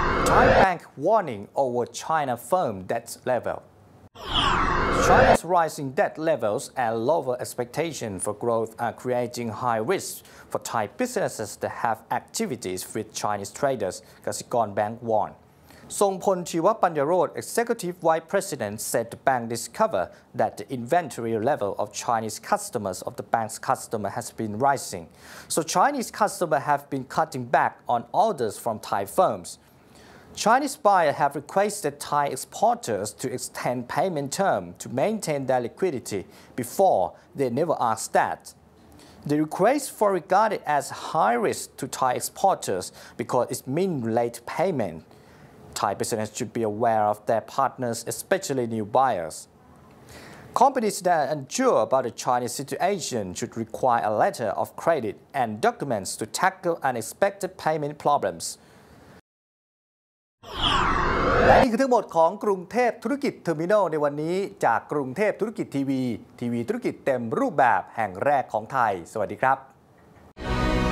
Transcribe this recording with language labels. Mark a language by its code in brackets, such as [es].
[en] Thai Bank warning over China firm debt level China's rising debt levels and lower expectation for growth are creating high risk for Thai businesses that have activities with Chinese traders Kasikorn Bank warnedทรงพล ชีวปัญญาโรจน์ Executive Vice President said the bank discovered that the inventory level of Chinese customers of the bank's customer has been rising. So Chinese customers have been cutting back on orders from Thai firms. Chinese buyers have requested Thai exporters to extend payment term to maintain their liquidity before they never asked that. The request for regarded as high risk to Thai exporters because it means late payment. Thai business should be aware of their partners, especially new buyers. Companies that are unsure about the Chinese situation should require a letter of credit and documents to tackle unexpected payment problems. [th] และนี่คือทั้งหมดของกรุงเทพธุรกิจเทอร์มินอลในวันนี้จากกรุงเทพธุรกิจทีวีทีวีธุรกิจเต็มรูปแบบแห่งแรกของไทยสวัสดีครับ